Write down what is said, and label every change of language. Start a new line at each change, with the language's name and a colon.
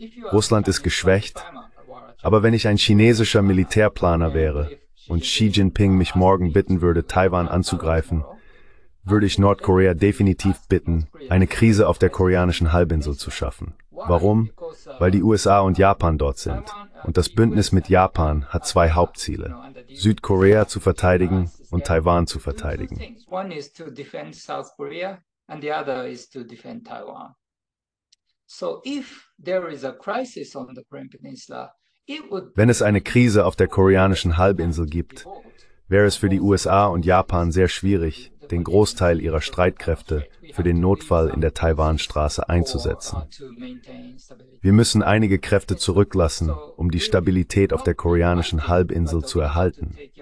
German: Russland ist geschwächt, aber wenn ich ein chinesischer Militärplaner wäre und Xi Jinping mich morgen bitten würde, Taiwan anzugreifen, würde ich Nordkorea definitiv bitten, eine Krise auf der koreanischen Halbinsel zu schaffen. Warum? Weil die USA und Japan dort sind. Und das Bündnis mit Japan hat zwei Hauptziele: Südkorea zu verteidigen und Taiwan zu verteidigen.
English: One is to defend South Korea and the other is to defend Taiwan. So if there is a crisis on the Korean Peninsula,
German: wenn es eine Krise auf der koreanischen Halbinsel gibt, wäre es für die USA und Japan sehr schwierig, den Großteil ihrer Streitkräfte für den Notfall in der Taiwanstraße einzusetzen. Wir müssen einige Kräfte zurücklassen, um die Stabilität auf der koreanischen Halbinsel zu erhalten.